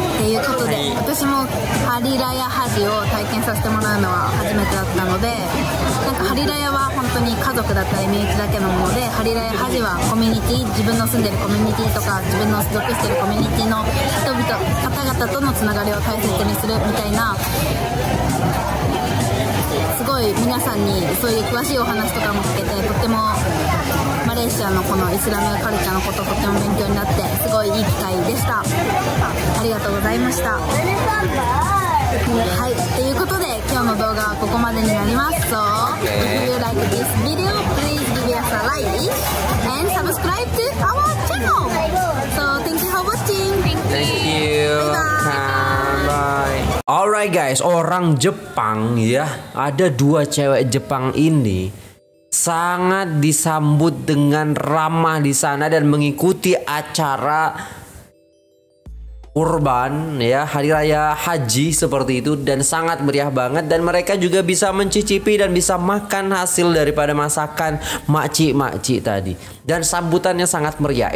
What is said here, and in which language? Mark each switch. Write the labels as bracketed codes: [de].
[ja] ということで、はい、私もハリラヤハジを体験させてもらうのは初めてだったので、なんかハリラヤは本当に家族だったイメージだけのもので、ハリラヤハジはコミュニティ、自分の住んでるコミュニティとか自分の属してるコミュニティの人々方々とのつながりを大切にするみたいな、すごい皆さんにそういう詳しいお話とかも聞けて、とってもマレーシアのこのイスラムカルチャーのこととても勉強になって、すごいいい機会でした。ありがとうございました。はい、ということで今日の動画はここまでになります。 [en] So if you like this video, please give us a like and subscribe to our channel. So thank you for watching. Thank you. Bye. Alright guys, [id] orang Jepang ya, ada dua cewek Jepang ini sangat disambut dengan ramah di sana dan mengikuti acara kurban ya, hari raya haji seperti itu, dan sangat meriah banget, dan mereka juga bisa mencicipi dan bisa makan hasil daripada masakan makci-makci tadi, dan sambutannya sangat meriah.